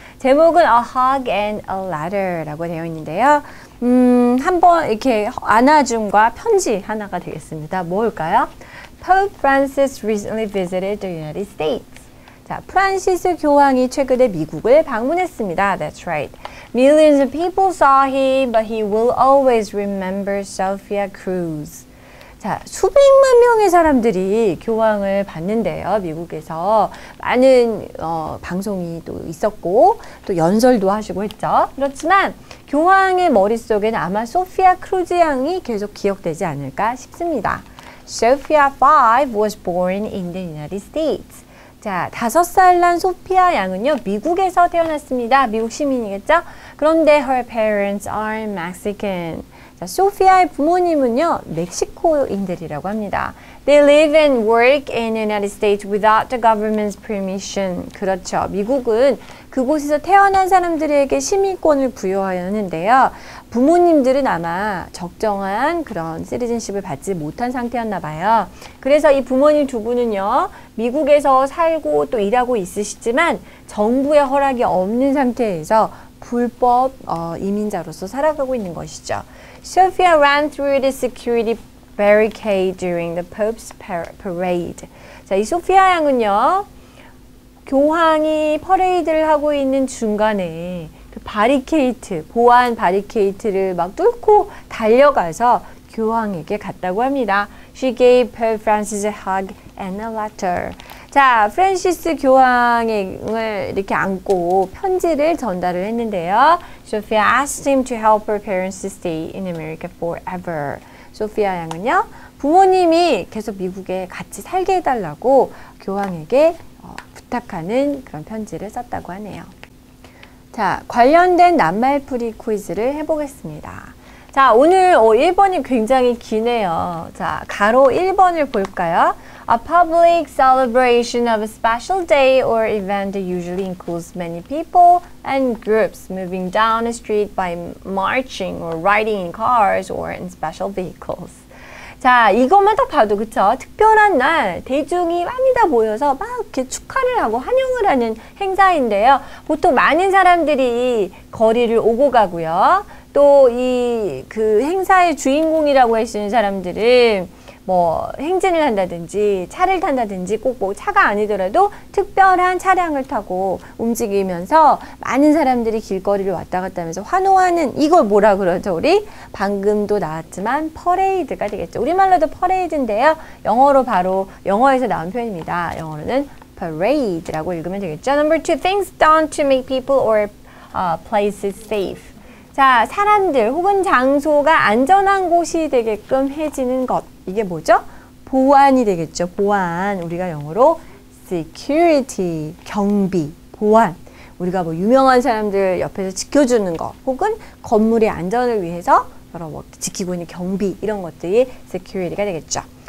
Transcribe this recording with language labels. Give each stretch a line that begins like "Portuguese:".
Korean: 제목은 A Hug and a Letter라고 되어 있는데요. 한번 이렇게 안아줌과 편지 하나가 되겠습니다. 뭘까요?
English: Pope Francis recently visited the United States.
Korean: 자, 프란시스 교황이 최근에 미국을 방문했습니다.
English: That's right. Millions of people saw him, but he will always remember Sophia Cruz.
Korean: 자, 수백만 명의 사람들이 교황을 봤는데요. 미국에서 많은 방송이 또 있었고 또 연설도 하시고 했죠. 그렇지만 교황의 머릿속에는 아마 소피아 크루즈 양이 계속 기억되지 않을까 싶습니다.
English: Sophia Five was born in the United States.
Korean: 자, 5살 난 소피아 양은요, 미국에서 태어났습니다. 미국 시민이겠죠? 그런데
English: her parents are Mexican.
Korean: 자, 소피아의 부모님은요, 멕시코인들이라고 합니다.
English: They live and work in the United States without the government's permission.
Korean: 그렇죠. 미국은 그곳에서 태어난 사람들에게 시민권을 부여하였는데요. 부모님들은 아마 적정한 그런 시티즌십을 받지 못한 상태였나 봐요. 그래서 이 부모님 두 분은요, 미국에서 살고 또 일하고 있으시지만 정부의 허락이 없는 상태에서 불법 이민자로서 살아가고 있는 것이죠.
English: Sophia ran through the security barricade during the Pope's parade.
Korean: 자, 이 소피아 양은요, 교황이 퍼레이드를 하고 있는 중간에 그 바리케이트, 보안 바리케이트를 막 뚫고 달려가서 교황에게 갔다고 합니다.
English: She gave Pope Francis a hug and a letter.
Korean: 자, 프란시스 교황을 이렇게 안고 편지를 전달을 했는데요.
English: Sophia asked him to help her parents to stay in America forever.
Korean: 소피아 양은요, 부모님이 계속 미국에 같이 살게 해달라고 교황에게 부탁하는 그런 편지를 썼다고 하네요. 자, 관련된 낱말풀이 퀴즈를 해보겠습니다. 자, 오늘 1번이 굉장히 기네요. 자, 가로 1번을 볼까요?
English: A public celebration of a special day or event usually includes many people and groups moving down the street by marching or riding in cars or in special vehicles.
Korean: 자, 이것만 딱 봐도 그쵸? 특별한 날 대중이 많이 다 모여서 막 이렇게 축하를 하고 환영을 하는 행사인데요. 보통 많은 사람들이 거리를 오고 가고요. 또이그 행사의 주인공이라고 할수 있는 사람들은 뭐 행진을 한다든지 차를 탄다든지 꼭뭐 차가 아니더라도 특별한 차량을 타고 움직이면서 많은 사람들이 길거리를 왔다 갔다 하면서 환호하는 이걸 뭐라 그러죠? 우리 방금도 나왔지만 퍼레이드가 되겠죠. 우리말로도 퍼레이드인데요. 영어로 바로 영어에서 나온 표현입니다. 영어로는 parade라고 읽으면 되겠죠.
English: Number two, things done to make people or places safe.
Korean: 자, 사람들 혹은 장소가 안전한 곳이 되게끔 해지는 것. 이게 뭐죠? 보안이 되겠죠. 보안. 우리가 영어로 security, 경비, 보안. 우리가 뭐 유명한 사람들 옆에서 지켜주는 것, 혹은 건물의 안전을 위해서 여러 뭐 지키고 있는 경비, 이런 것들이 security가 되겠죠.